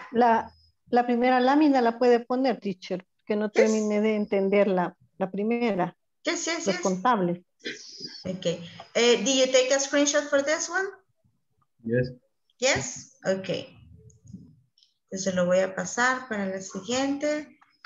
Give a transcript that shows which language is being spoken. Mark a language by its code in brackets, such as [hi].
[es] La primera lámina la puede poner, teacher, que no termine de entender la primera. [en] Yes, yes, [es] los contables. [en] Okay. Did you take a screenshot for this one? Yes. Yes? Okay. [es] Entonces lo voy a pasar para la siguiente.